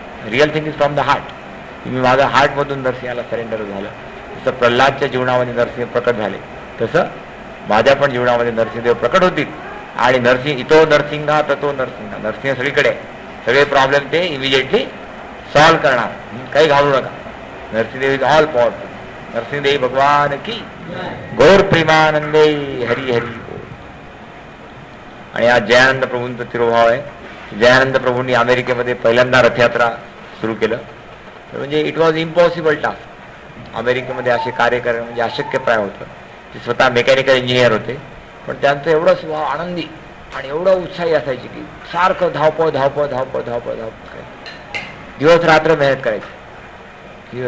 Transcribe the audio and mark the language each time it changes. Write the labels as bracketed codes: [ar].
[en] Real thing is from the heart. [mr] मी माझ्या हार्टमधून नरसिंहाला surrender झालं. जसं प्रल्हादच्या जीवनामध्ये नरसिंह प्रकट झाले, तसं माझ्या पण जीवनामध्ये नरसिंहदेव प्रकट होतील. आणि नरसिंह इतो नरसिंहा ततो नरसिंहा, नरसिंह सगळीकडे, सगळे प्रॉब्लेम ते इमिजिएटली सॉल्व्ह करणार, काही घाबरू नका. Narasimhadeva [en] Is all powerful. [mr] Narasimhadeva भगवान की गौर प्रेमानंदे हरी हरी. आणि आज जयानंद प्रभूंचा तिरुभाव आहे. जयानंद प्रभूंनी अमेरिकेमध्ये पहिल्यांदा रथयात्रा सुरू केलं, तर म्हणजे [en] It was impossible task. [mr] अमेरिकेमध्ये असे कार्य करणं म्हणजे अशक्यप्राय होतं. ते स्वतः मेकॅनिकल इंजिनियर होते, पण त्यांचा एवढा स्वभाव आनंदी आणि एवढा उत्साही असायची की सारखं धावपळ धावपळ धावपळ धावपळ धावपळ करायचं, दिवस रात्र मेहनत करायची.